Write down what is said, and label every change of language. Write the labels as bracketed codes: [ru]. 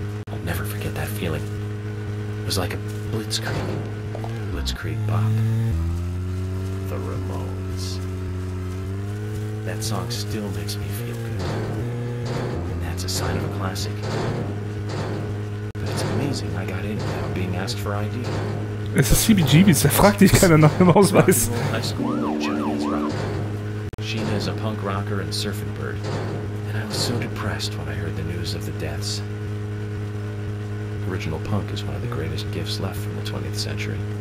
[en] I'll never forget that feeling. It was like a blitzkrieg. Blitzkrieg pop. The Ramones. That song still makes me feel good. And that's a sign of a classic. But it's amazing I got in without being asked for ID. [de] Es ist CBGBs, da fragt dich keiner nach dem Ausweis. [en] High school, Chinese rock. Sheena is a punk rocker and surfing bird. And I was so depressed when I heard the news of the deaths. Original punk is one of the greatest gifts left from the 20th century.